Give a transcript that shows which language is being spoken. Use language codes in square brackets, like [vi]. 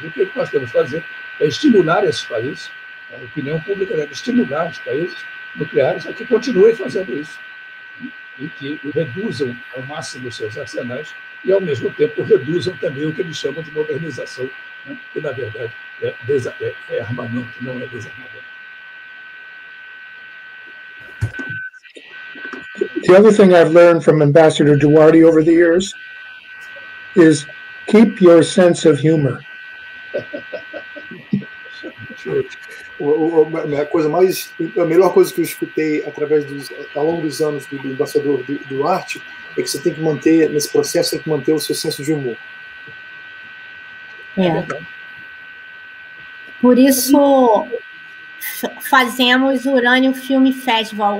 [pt] O que nós temos que fazer é estimular esses países, a opinião pública deve estimular os países nucleares a que continuem fazendo isso e que reduzam ao máximo os seus arsenais e, ao mesmo tempo, reduzam também o que eles chamam de modernização, né? Que, na verdade, é armamento, não é desarmamento. [en] The other thing I've learned from Ambassador Duarte over the years is keep your sense of humor. [pt] A melhor coisa que eu escutei ao longo dos anos do Embaixador Duarte é que você tem que manter, nesse processo, tem que manter o seu senso de humor. É. Por isso fazemos o Urânio Film Festival.